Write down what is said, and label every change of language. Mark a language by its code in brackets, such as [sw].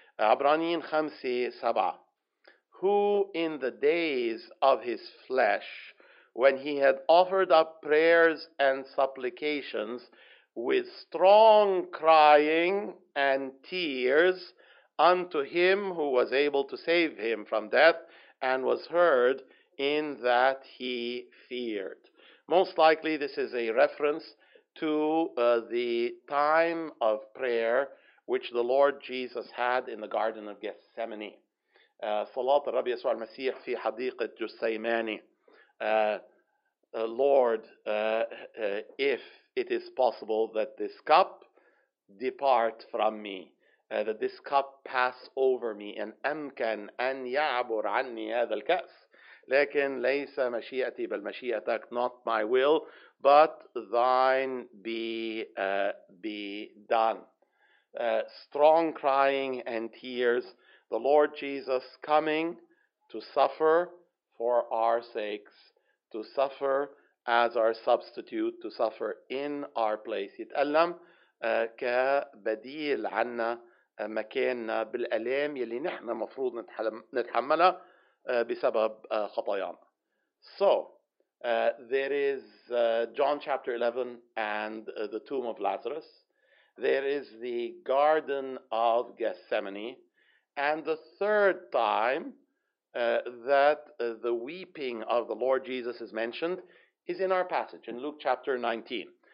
[en] Abranin 5, 7. Who in the days of his flesh, when he had offered up prayers and supplications with strong crying and tears unto him who was able to save him from death and was heard in that he feared. Most likely this is a reference to the time of prayer which the Lord Jesus had in the Garden of Gethsemane. [ar] صلاة الرب يسوع المسيح في حديقة جثيماني. [en] Lord, if it is possible that this cup depart from me, that this cup pass over me, [ar] إن أمكن أن يعبر عني هذا الكأس. لكن ليس مشيئتي بل مشيئتك, [en] not my will, but thine be done. Strong crying and tears, the Lord Jesus coming to suffer for our sakes, to suffer as our substitute, to suffer in our place. [ar] يتألم كبديل عنا مكاننا بالألام يلي نحن مفروض نتحملها بسبب خطايانا. [en] So, there is John chapter 11 and the tomb of Lazarus. There is the Garden of Gethsemane. And the third time that the weeping of the Lord Jesus is mentioned is in our passage in Luke chapter 19.